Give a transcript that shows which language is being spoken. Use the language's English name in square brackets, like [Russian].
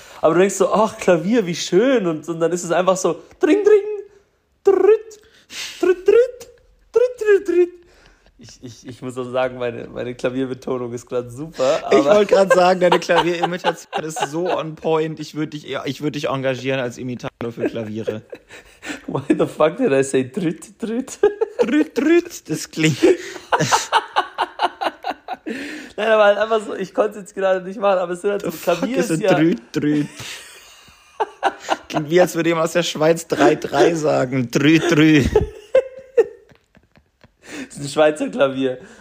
[German] Aber du denkst so, ach, Klavier, wie schön. Und dann ist es einfach so, dring, dring, dritt, dritt, dritt, dritt, dritt, dritt. Ich muss auch sagen, meine Klavierbetonung ist gerade super. Aber ich wollte gerade sagen, deine Klavierimitation ist so [English] on point. [German] Ich würd dich engagieren als Imitator für Klaviere. [English] Why the fuck did I say dritt, dritt? [German] Dritt, dritt, das klingt... Nein, aber halt einfach so, ich konnte es jetzt gerade nicht machen, aber es sind halt so Klavier. Das ist ja drüt, drüt. Klingt wie, als würde jemand aus der Schweiz 3-3 sagen. Drüt, drü. Das ist ein Schweizer Klavier.